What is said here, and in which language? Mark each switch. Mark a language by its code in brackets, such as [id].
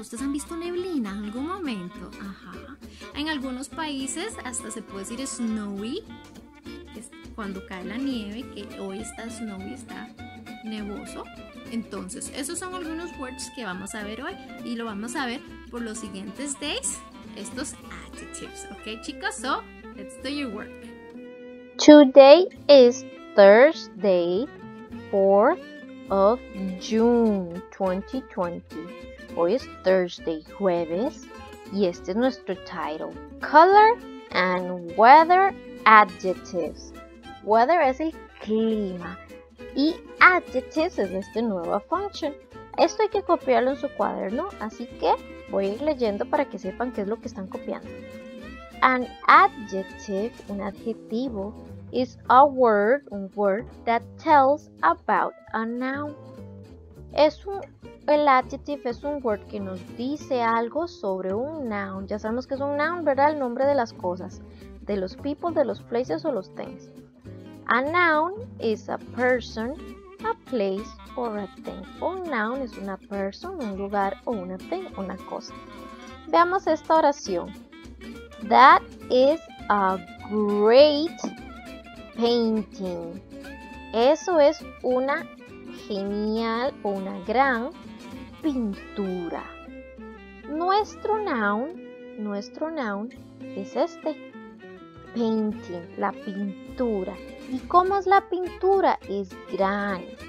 [es] ¿Ustedes han visto neblina en algún momento? Ajá. En algunos países hasta se puede decir snowy, que es cuando cae la nieve, que hoy está snowy, está nevoso. Entonces, esos son algunos words que vamos a ver hoy y lo vamos a ver por los siguientes days. Estos adjectives, ¿ok, chicos? [en] So, let's do your work. Today is Thursday, 4th of June, 2020. [es] Hoy es Thursday, jueves, y este es nuestro title. [en] Color and weather adjectives. [es] Weather es el clima. Y adjectives es esta nueva function. Esto hay que copiarlo en su cuaderno, así que voy a ir leyendo para que sepan qué es lo que están copiando. [en] An adjective, [es] un adjetivo, [en] is a word, un word that tells about a noun. [es] El adjective es un word que nos dice algo sobre un noun. Ya sabemos que es un noun, ¿verdad? El nombre de las cosas, de los people, de los places o los things. [en] A noun is a person, a place, or a thing. [es] Un noun es una person, un lugar, o una thing, una cosa. Veamos esta oración. [en] That is a great painting. [es] Eso es una genial o una gran pintura. Nuestro noun es este. Painting, la pintura. ¿Y cómo es la pintura? Es gran.